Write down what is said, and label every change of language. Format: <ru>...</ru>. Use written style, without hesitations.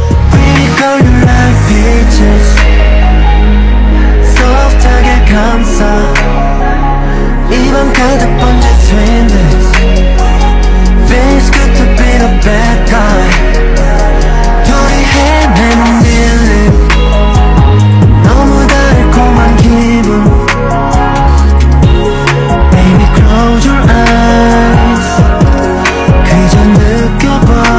<en>Pretty girl, you like peaches. Soft target</en> <ko>감싸 입안 가득 번진 sweetness.</ko> <en>It's good to be the bad guy.</en> <ko>둘이 헤매는 길을 너무 달콤한 기분.</ko> <en>Baby close your eyes.</en> <ko>그저 느껴봐.</ko>